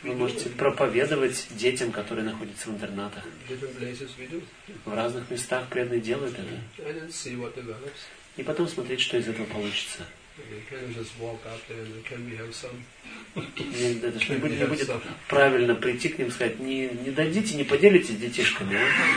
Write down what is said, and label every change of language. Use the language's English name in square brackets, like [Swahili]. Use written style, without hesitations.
[Russian] Вы можете проповедовать детям, которые находятся в интернатах. [English] Different places we do. [Russian] В разных местах преданные делают это. [English] And then see what develops. [Russian] И потом смотреть, что из этого получится. [English] You can just walk up there and can we have some? [Russian] Нет, это же не будет правильно прийти к ним и сказать, не дадите, не поделитесь с детишками, а?